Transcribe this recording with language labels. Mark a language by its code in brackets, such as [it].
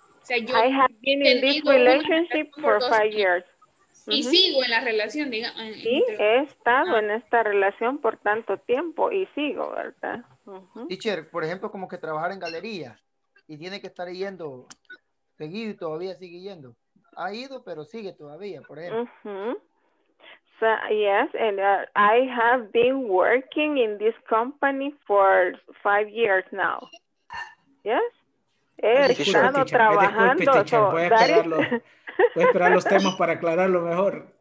[es] O sea, yo [en] I have been in this relationship for 5 years. [es] Y sigo en la relación, digamos. Sí, he estado en esta relación por tanto tiempo y sigo, ¿verdad? Teacher, por ejemplo, como que trabajar en galería y tiene que estar yendo seguido y todavía sigue yendo. Ha ido, pero sigue todavía, por ejemplo. [en] So, yes, and I have been working in this company for 5 years now. [es] Yes? He estado trabajando. Voy a esperar los temas para aclararlo mejor.